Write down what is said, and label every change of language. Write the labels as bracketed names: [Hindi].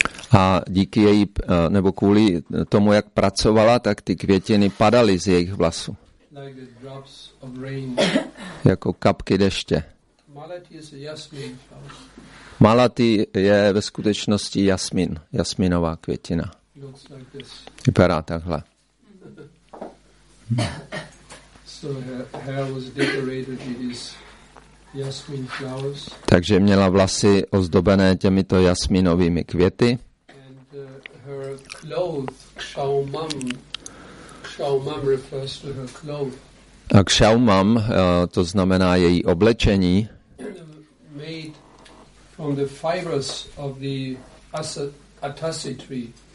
[Czech] A díky její nebo kvůli tomu, jak pracovala, tak ty květiny padaly z jejich vlasů. [English] Like the drops of rain. [Czech] Jako kapky deště. [English] Malati is a jasmin. [Czech] Malati je ve skutečnosti jasmin, jasminová květina. [English] Looks like this. [Czech] Vypadá takhle. [English] So her hair was decorated with these jasmin flowers. [Czech] Takže měla vlasy ozdobené těmito jasminovými květy. [English] And her clothes, kshaumam, kshaumam refers to her clothes. [Czech] A kshaumam, to znamená její oblečení. [English] Made from the fibers of the atasi tree.